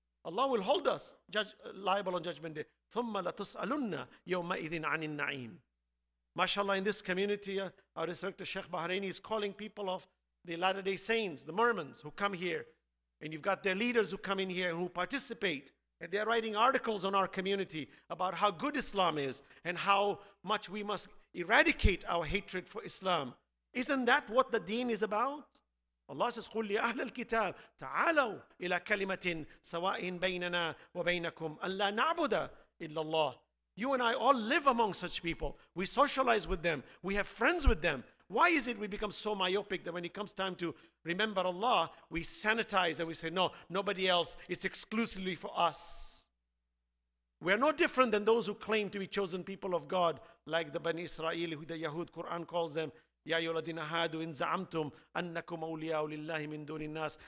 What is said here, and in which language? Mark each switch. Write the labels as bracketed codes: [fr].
[en] Allah will hold us liable on judgment day. [ar] ثُمَّ لَتُسْأَلُنَّ يَوْمَئِذٍ عَنِ النَّعِيمِ [en] MashaAllah, in this community, our instructor Sheikh Bahraini is calling people of the Latter-day Saints, the Mormons, who come here, and you've got their leaders who come in here and who participate, and they're writing articles on our community about how good Islam is and how much we must eradicate our hatred for Islam. Isn't that what the deen is about? Allah says, [ar] قُلْ لِأَهْلَ الْكِتَابِ تَعَالَوْا إِلَىٰ كَلِمَةٍ سَوَاءٍ بَيْنَنَا وَبَيْنَكُمْ أَلَّا نَعْبُدَ إِلَّا اللَّهِ. [en] You and I all live among such people. We socialize with them. We have friends with them. Why is it we become so myopic that when it comes time to remember Allah, we sanitize and we say, no, nobody else, it's exclusively for us. We are no different than those who claim to be chosen people of God, like the Bani Israel, who the Yahud Quran calls them, [ar] يَا أَيُّهَا الَّذِينَ هَادُوا إِنْ زَعَمْتُمْ أَنَّكُمْ أَوْلِيَاءُ لِلَّهِ مِنْ دُونِ النَّاسِ.